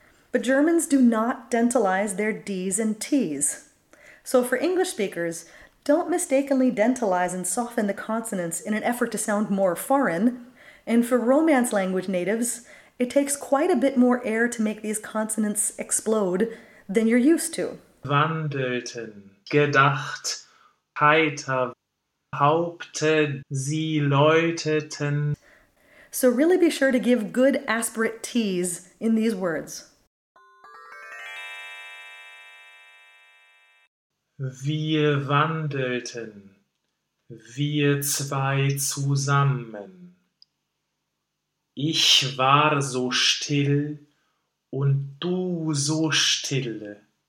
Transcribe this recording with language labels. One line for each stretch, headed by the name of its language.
English: But Germans do not dentalize their D's and T's. So for English speakers, don't mistakenly dentalize and soften the consonants in an effort to sound more foreign. And for Romance language natives, it takes quite a bit more air to make these consonants explode than you're used to.
German: Wandelten, gedacht, heiter, Haupte, sie läuteten.
English: So really be sure to give good aspirate T's in these words.
German: Wir wandelten, wir zwei zusammen. Ich war so still und du so stille.